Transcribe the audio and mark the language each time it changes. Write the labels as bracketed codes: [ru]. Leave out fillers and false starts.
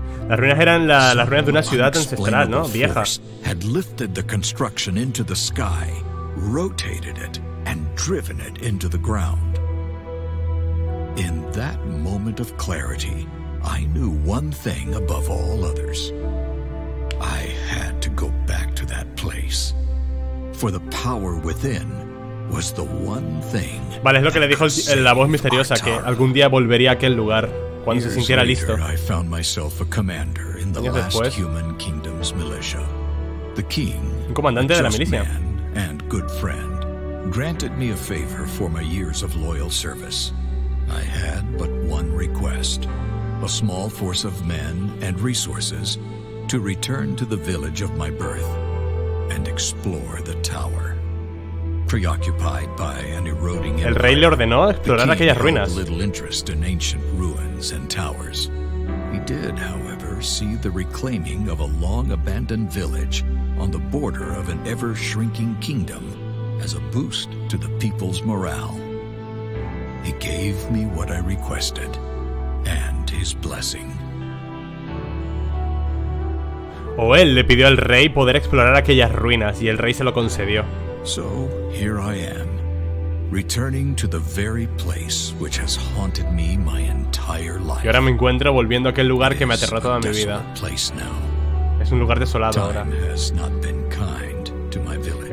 [es] Las ruinas eran las ruinas de una ciudad ancestral, ¿no? Vieja. [en] Had lifted the construction into the sky, rotated it and driven it into the ground. In that moment of clarity, I knew one thing above all others. I had to go back to that place, for the power within was the one thing. [es] Vale, es lo que le dijo la voz misteriosa, que algún día volvería a aquel lugar cuando se sintiera listo. [en] I found myself a commander in the last human kingdom's militia. The king, [es] un comandante de la milicia, [en] and good friend, granted me a favor for my years of loyal service. I had but one request, a small force of men and resources to return to the village of my birth and explore the tower. Preoccupied by an eroding empire, [es] el rey le ordenó explorar aquellas ruinas. [en] The king had little interest in ancient ruins and towers. He did, however, see the reclaiming of a long abandoned village on the border of an ever shrinking kingdom as a boost to the people's morale. He gave me what I requested, and his blessing. [es] O él le pidió al rey poder explorar aquellas ruinas y el rey se lo concedió. [en] So, here I am, returning to the very place which has haunted me my entire life. [es] Y ahora me encuentro volviendo a aquel lugar que me aterró toda mi vida. Es un lugar desolado ahora. [en] Time has not been kind to my village.